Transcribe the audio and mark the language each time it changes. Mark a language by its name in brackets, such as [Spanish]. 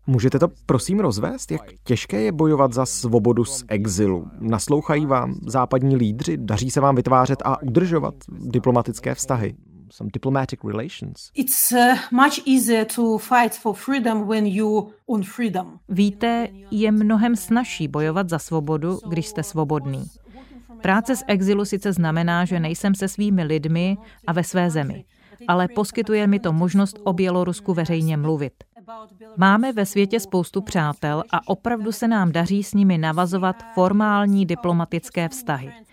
[Czech] Můžete to prosím rozvést? Jak těžké je bojovat za svobodu z exilu? Naslouchají vám západní lídři? Daří se vám vytvářet a udržovat diplomatické vztahy? [English] Some diplomatic relations. It's much easier to fight for freedom when you own freedom. [Czech] Víte, je mnohem snazší bojovat za svobodu, když jste svobodný. Práce z exilu sice znamená, že nejsem se svými lidmi a ve své zemi, ale poskytuje mi to možnost o Bělorusku veřejně mluvit. Máme ve světě spoustu přátel a opravdu se nám daří s nimi navazovat formální diplomatické vztahy.